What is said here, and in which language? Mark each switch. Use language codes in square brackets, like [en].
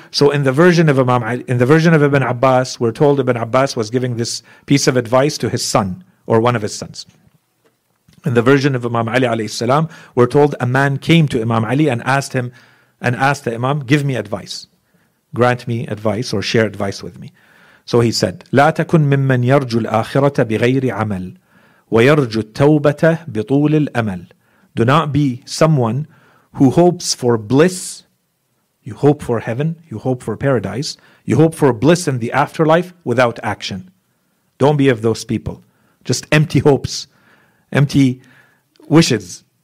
[en] So in the version of Imam Ali, in the version of Ibn Abbas, we're told Ibn Abbas was giving this piece of advice to his son or one of his sons. In the version of Imam Ali alayhi salam, we're told a man came to Imam Ali and asked him, and asked the Imam, give me advice. Grant me advice or share advice with me. So he said, [ar] لا تكن ممن يرجو الآخرة بغير عمل ويرجو التوبة بطول الأمل. [en] Do not be someone who hopes for bliss. You hope for heaven. You hope for paradise. You hope for bliss in the afterlife without action. Don't be of those people. Just empty hopes, empty wishes.